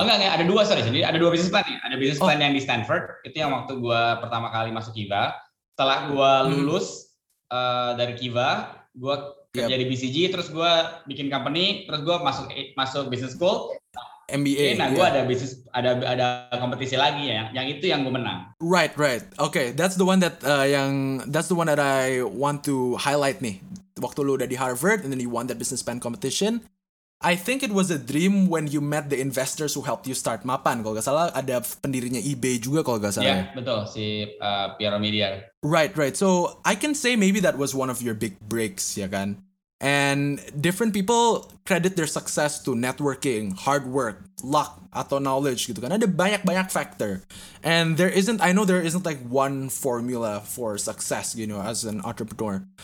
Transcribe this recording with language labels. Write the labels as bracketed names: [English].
[Indonesian] Oh, enggak, ada 2 [English] sorry. [Indonesian] Jadi ada 2 business plan. Nih. Ada business plan yang di Stanford, itu yang waktu gue pertama kali masuk Kiva. Setelah gue lulus dari Kiva, gue kerja di BCG, terus gue bikin company, terus gue masuk business school. MBA. Nah, gue ada bisnis, ada kompetisi lagi ya, yang itu yang gue menang. [English] Right. Okay, that's the one that I want to highlight [Indonesian] nih. Waktu lu udah di Harvard, [English] and then you won that business plan competition. I think it was a dream when you met the investors who helped you start Mapan. [Indonesian] Kalau gak salah, ada pendirinya eBay juga kalau gak salah. Iya, betul. Si Pierre Media. [English] Right. So, I can say maybe that was one of your big breaks, [Indonesian] ya kan? [English] And different people credit their success to networking, hard work, luck, [Indonesian] atau [English] knowledge [Indonesian] gitu kan. Ada banyak-banyak factor. [English] And there isn't like one formula for success, you know, as an entrepreneur.